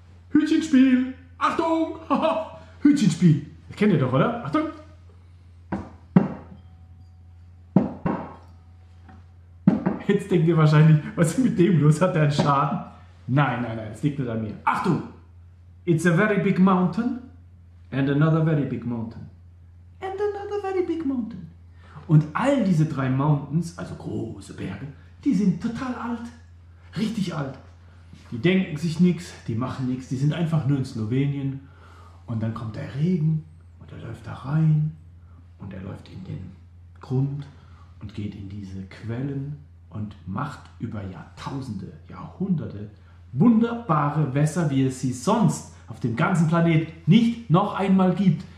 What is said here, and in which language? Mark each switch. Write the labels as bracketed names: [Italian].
[German] Hütchenspiel! Achtung! Hütchenspiel! Das kennt ihr doch, oder? Achtung! Jetzt denkt ihr wahrscheinlich, was ist mit dem los? Hat der einen Schaden? Nein, nein, nein, es liegt nicht an mir. Achtung! [English] It's a very big mountain and another very big mountain. And another very big mountain. [German] Und all diese drei Mountains, also große Berge, die sind total alt. Richtig alt. Die denken sich nichts, die machen nichts, die sind einfach nur in Slowenien und dann kommt der Regen und er läuft da rein und er läuft in den Grund und geht in diese Quellen und macht über Jahrtausende, Jahrhunderte wunderbare Wässer, wie es sie sonst auf dem ganzen Planet nicht noch einmal gibt.